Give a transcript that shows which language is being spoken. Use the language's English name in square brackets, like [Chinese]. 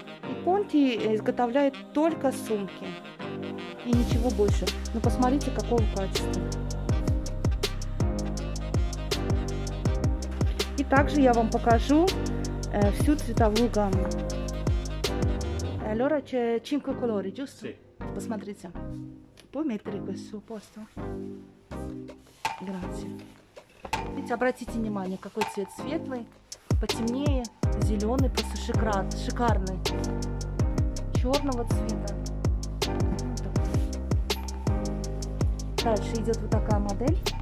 [Russian] И Ponte изготовляет только сумки. И ничего больше. Но посмотрите, какого качества. И также я вам покажу всю цветовую гамму. [Italian] Allora, c'è 5 colori, giusto? Sì. [Russian] Посмотрите. [Italian] Puoi mettere questo posto? Grazie. [Russian] Видите, обратите внимание, какой цвет светлый, потемнее, зеленый, просто шикарный. Черного цвета. Вот такой. Дальше идет вот такая модель.